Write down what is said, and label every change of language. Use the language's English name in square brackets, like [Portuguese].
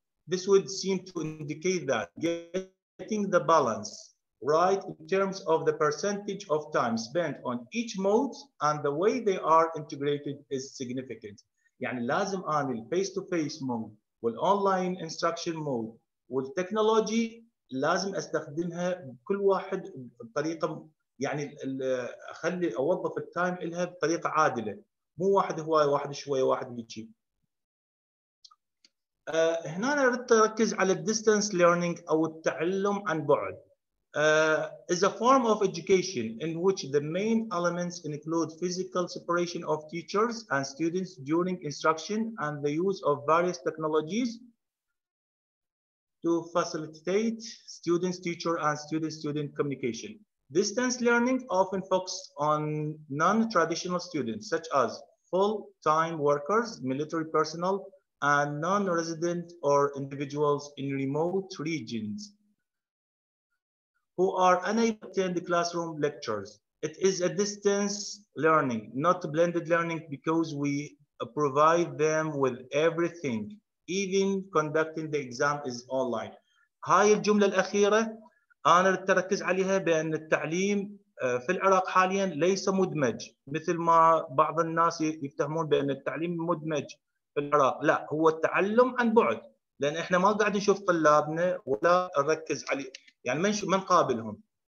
[English] This would seem to indicate that getting the balance right in terms of the percentage of time spent on each mode and the way they are integrated is significant. [Arabic] يعني لازم أنا [English] face to face mode [Arabic] وال [English] online instruction mode [Arabic] والtechnology لازم أستخدمها كل واحد بطريقة يعني اخلي اوظف التايم لها بطريقه عادله، مو واحد هواي واحد شويه واحد هيجي. هنا انا اريد اركز على الديستانس ليرنينج او التعلم عن بعد. [English] is a form of education in which the main elements include physical separation of teachers and students during instruction and the use of various technologies to facilitate students-teacher and student-student communication. Distance learning often focuses on non-traditional students, such as full-time workers, military personnel, and non-resident or individuals in remote regions who are unable to attend the classroom lectures. It is a distance learning, not blended learning, because we provide them with everything. Even conducting the exam is online. [Arabic] هاي الجملة الأخيرة أنا أتركز عليها بأن التعليم في العراق حاليا ليس مدمج مثل ما بعض الناس يفهمون بأن التعليم مدمج في العراق. لا، هو التعلم عن بعد، لأن إحنا ما قاعد نشوف طلابنا ولا نركز عليه، يعني من قابلهم.